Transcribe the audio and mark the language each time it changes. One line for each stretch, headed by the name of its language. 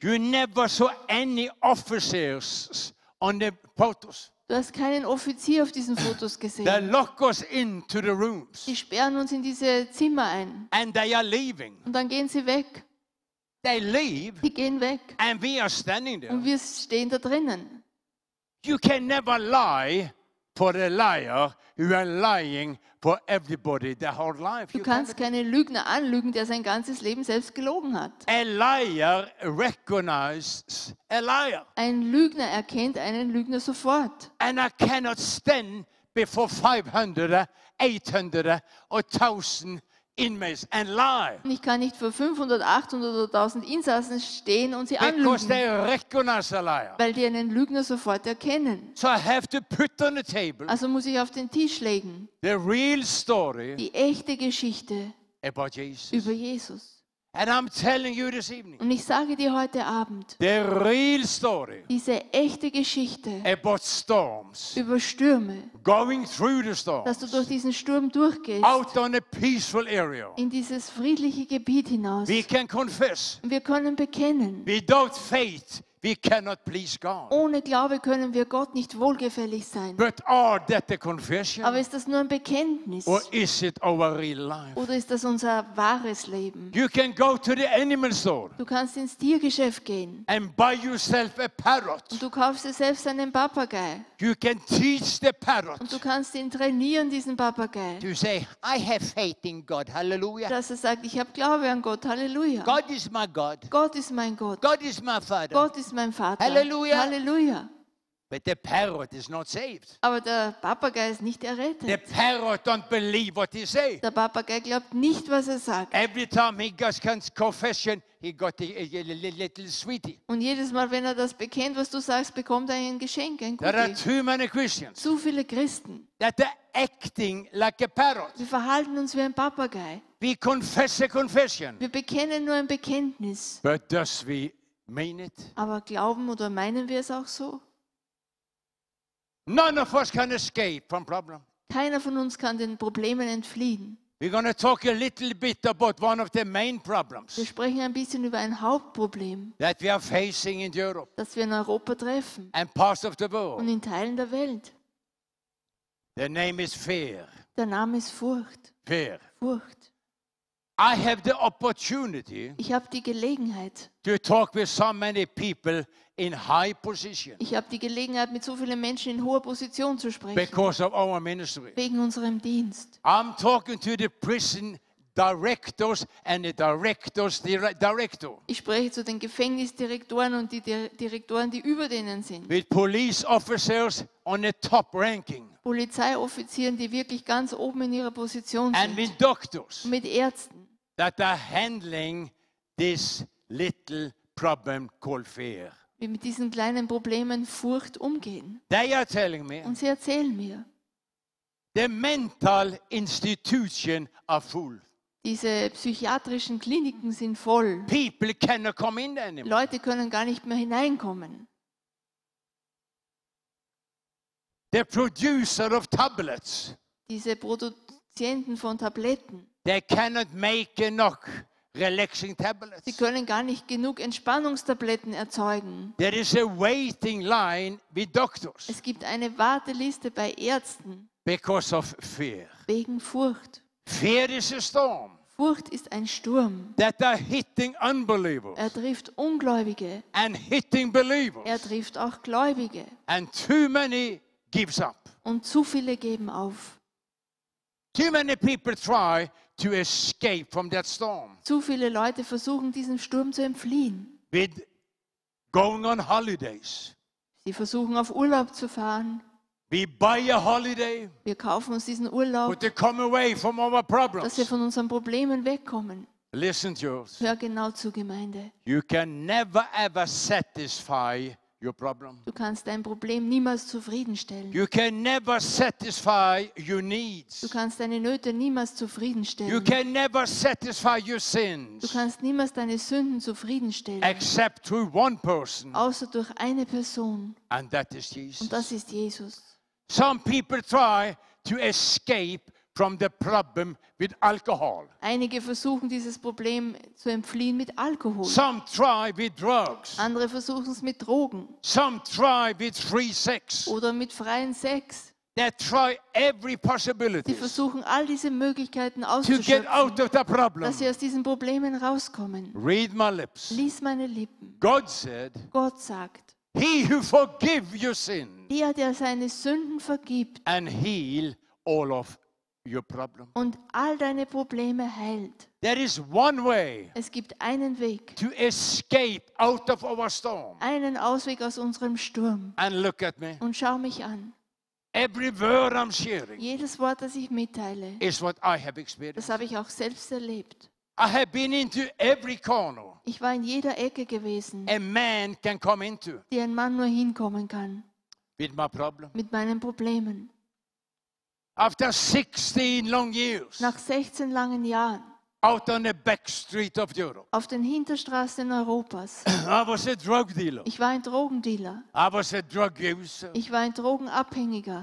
English: You never saw any officers on the photos.
German: Du hast keinen Offizier auf diesen Fotos gesehen.
English: They lock us into the rooms.
German: Sie sperren uns in diese Zimmer ein.
English: And they are leaving.
German: Und dann gehen sie weg.
English: They leave.
German: Sie gehen weg.
English: And we are standing there.
German: Und wir stehen da drinnen.
English: You can never lie for the liar who are lying for everybody their whole life.
German: Du kannst keine Lügner anlügen, der sein ganzes Leben selbst gelogen hat.
English: A liar recognizes a liar.
German: Ein Lügner erkennt einen Lügner sofort.
English: And I cannot stand before 500, 800 or 1000 inmates and lie.
German: Ich kann nicht vor 500, 800 oder 1000 Insassen stehen und sie anlügen.
English: Because they recognize a liar.
German: Weil die einen Lügner sofort erkennen.
English: So I have to put on the table.
German: Also muss ich auf den Tisch legen.
English: The real story.
German: Die echte Geschichte.
English: About Jesus.
German: Über Jesus.
English: And I'm telling you this evening.
German: Und ich sage dir heute Abend.
English: The real story.
German: Diese echte Geschichte.
English: About storms.
German: Über Stürme.
English: Going through the storms.
German: Dass du durch diesen Sturm durchgehst.
English: Out on a peaceful area.
German: In dieses friedliche Gebiet hinaus.
English: We can confess.
German: Und wir können bekennen.
English: Without faith, we cannot please God.
German: Ohne Glaube können wir Gott nicht wohlgefällig sein.
English: But are that a confession?
German: Aber ist das nur ein Bekenntnis?
English: Or is it our real life?
German: Oder ist das unser wahres Leben?
English: You can go to the animal store.
German: Du kannst ins Tiergeschäft gehen.
English: And buy yourself a parrot.
German: Und du kaufst dir selbst einen Papagei.
English: You can teach the parrot.
German: Und du kannst ihn trainieren, diesen Papagei.
English: To say, I have faith in God. Hallelujah.
German: Dass er sagt, ich habe Glaube an Gott. Hallelujah.
English: God is my God.
German: Gott ist mein Gott.
English: God is my Father.
German: Gott ist mein Vater. Hallelujah. Hallelujah.
English: But the parrot is not saved.
German: Aber der Papagei ist nicht errettet.
English: The parrot don't believe what he say.
German: Der Papagei glaubt nicht, was er sagt.
English: Every time he goes to confession, he got a little sweetie.
German: Und jedes Mal, wenn er das bekennt, was du sagst, bekommt er ein Geschenk, ein
English: Cookie. There are too many Christians.
German: Zu viele Christen.
English: That are acting like a parrot.
German: Wir verhalten uns wie ein Papagei.
English: We confess a confession.
German: Wir bekennen nur ein Bekenntnis.
English: But does we mean it?
German: Aber glauben oder meinen wir es auch so?
English: None of us can escape from problem.
German: Keiner von uns kann den Problemen entfliehen.
English: We're going to talk a little bit about one of the main problems.
German: Wir sprechen ein bisschen über ein Hauptproblem.
English: That we are facing in Europe.
German: Das wir in Europa treffen.
English: And parts of the world.
German: Und in Teilen der Welt.
English: The name is fear.
German: Der Name ist Furcht.
English: Fear.
German: Furcht.
English: I have the opportunity.
German: Ich habe die Gelegenheit.
English: To talk with so many people. In high position.
German: Ich habe die Gelegenheit, mit so vielen Menschen in hoher Position zu sprechen.
English: Because of our ministry.
German: Wegen unserem Dienst.
English: I'm talking to the prison directors and the directors director.
German: Ich spreche zu den Gefängnisdirektoren und die Direktoren, die über denen sind.
English: With police officers on the top ranking.
German: Polizeioffizieren, die wirklich ganz oben in ihrer Position
English: and And with doctors.
German: Mit Ärzten.
English: That are handling this little problem called fear.
German: Wie mit diesen kleinen Problemen Furcht umgehen.
English: They are telling me,
German: und sie erzählen mir,
English: the mental institution are full.
German: Diese psychiatrischen Kliniken sind voll.
English: People cannot come in anymore.
German: Leute können gar nicht mehr hineinkommen.
English: The producer of tablets,
German: diese Produzenten von Tabletten,
English: they cannot make enough. Relaxing tablets.
German: Sie können gar nicht genug Entspannungstabletten erzeugen.
English: There is a waiting line with doctors.
German: Es gibt eine Warteliste bei Ärzten.
English: Because of fear.
German: Wegen Furcht.
English: Fear is a storm.
German: Furcht ist ein Sturm.
English: That are hitting unbelievers.
German: Er trifft Ungläubige.
English: And hitting believers.
German: Er trifft auch Gläubige.
English: And too many gives up.
German: Und zu viele geben auf.
English: Too many people try to escape from that storm.
German: Zu viele Leute versuchen diesem Sturm zu entfliehen.
English: With going on holidays.
German: Sie versuchen auf Urlaub zu fahren.
English: We buy a holiday.
German: Wir kaufen uns diesen Urlaub.
English: But to come away from our problems.
German: Dass wir von unseren Problemen wegkommen.
English: Listen to us.
German: Hör genau zu, Gemeinde.
English: You can never ever satisfy your problem.
German: Du kannst dein Problem niemals zufriedenstellen.
English: You can never satisfy your needs.
German: Du kannst deine Nöte niemals zufriedenstellen.
English: You can never satisfy your sins.
German: Du kannst niemals deine Sünden zufriedenstellen.
English: Except through one person.
German: Außer durch eine Person.
English: And that is Jesus.
German: Und das ist Jesus.
English: Some people try to escape from the problem with alcohol.
German: Einige versuchen dieses Problem zu entfliehen mit Alkohol.
English: Some try with drugs.
German: Andere versuchen es mit Drogen.
English: Some try with free sex.
German: Oder mit freien Sex.
English: They try every possibility.
German: Sie versuchen all diese Möglichkeiten auszuschöpfen.
English: To get out of the problem.
German: Dass sie aus diesen Problemen rauskommen.
English: Read my lips.
German: Lies meine Lippen.
English: God said.
German: Gott sagt.
English: He who forgive your sin.
German: Der, der seine Sünden vergibt.
English: And heal all of your problem.
German: Und all deine Probleme heilt.
English: There is one way.
German: Es gibt einen Weg.
English: To escape out of our storm.
German: Einen Ausweg aus unserem Sturm.
English: And look at me.
German: Und schau mich an.
English: Every word I'm sharing.
German: Jedes Wort, das ich mitteile.
English: Is what I have experienced.
German: Das habe ich auch selbst erlebt.
English: I have been into every corner.
German: Ich war in jeder Ecke gewesen.
English: A man can come into.
German: Die ein Mann nur hinkommen kann.
English: With my problem.
German: Mit meinen Problemen.
English: After 16 long years.
German: Nach 16 langen Jahren.
English: Out on the back street of Europe.
German: Auf den Hinterstraßen Europas.
English: I was a drug dealer.
German: Ich war ein Drogendealer.
English: I was a drug user.
German: Ich war ein Drogenabhängiger.